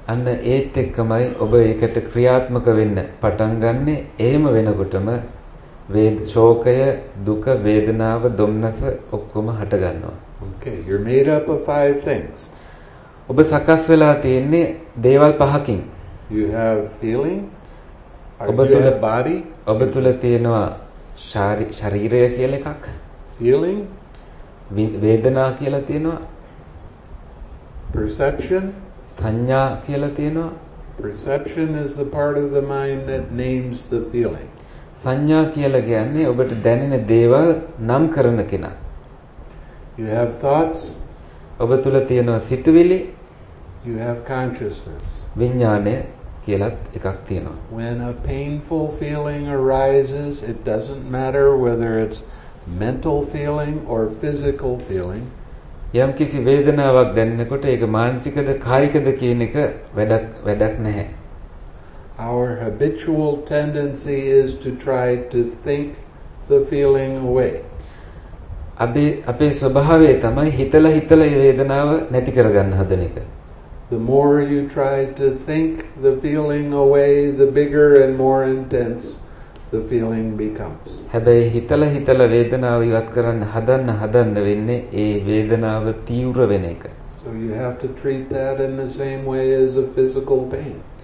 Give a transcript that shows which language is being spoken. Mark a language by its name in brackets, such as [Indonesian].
[Sinhala] අන්න ඒත් එක්කමයි ඔබ ඒකට ක්‍රියාත්මක වෙන්න පටන් ගන්නෙ එහෙම වෙනකොටම ශෝකය දුක වේදනාව දුම්නස ඔක්කොම හට ගන්නවා. [English] Okay, you're made up of five things. [Sinhala] ඔබ සකස් වෙලා තියෙන්නේ දේවල් පහකින්. [English] You have feeling. [Sinhala] ඔබ තුල [English] body. [Sinhala] ඔබ තුල තියෙනවා ශරීරය කියලා එකක්. [English] Feeling. [Sinhala] වේදනා කියලා තියෙනවා. [English] Perception. [Sinhala] සඤ්ඤා කියලා තියෙනවා [English] perception is the part of the mind that names the feeling [Sinhala] සඤ්ඤා කියලා කියන්නේ ඔබට දැනෙන දේවල් නම් කරන කෙනා [English] you have thoughts [Sinhala] ඔබ තුල තියෙනවා සිතුවිලි [English] you have consciousness [Sinhala] විඥානය කියලාත් එකක් තියෙනවා [English] when a painful feeling arises it doesn't matter whether it's mental feeling or physical feeling [Sinhala] යම් කිසි වේදනාවක් දැනෙනකොට ඒක මානසිකද කායිකද කියන එක වැඩක් නැහැ. [English] Our habitual tendency is to try to think the feeling away. [Sinhala] අපේ ස්වභාවය තමයි හිතලා මේ වේදනාව නැති කරගන්න හදන එක. [English] The more you try to think the feeling away, the bigger and more intense the feeling becomes [Sinhala] හැබැයි හිතලා වේදනාව ඉවත් කරන්න හදන්න වෙන්නේ ඒ වේදනාව තීව්‍ර වෙන එක [English] so you have to treat that in the same way as a physical pain